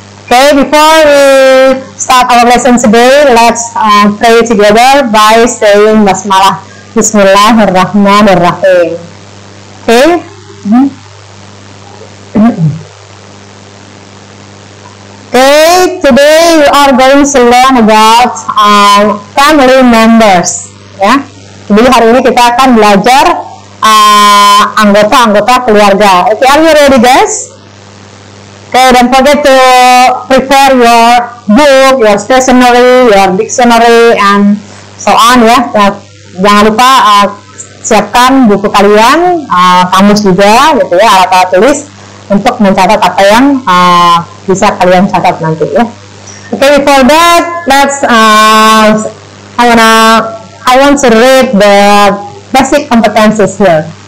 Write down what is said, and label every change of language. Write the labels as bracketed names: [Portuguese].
[English] Okay, before we start our lesson today, let's pray together by saying basmalah. [Arabic] Bismillahirrahmanirrahim. Okay. [English] Okay, today we are going to learn about family members. [Indonesian] Ya, jadi hari ini kita akan belajar anggota-anggota keluarga. [English] Okay, are you ready guys? Okay, don't forget to prepare your book, your stationery, your dictionary, and so on ya. [Indonesian] Jangan lupa siapkan buku kalian, kamus juga, gitu ya, alat-alat tulis untuk mencatat apa yang bisa kalian catat nanti ya. [English] Okay, before that, let's I want to read the basic competencies here.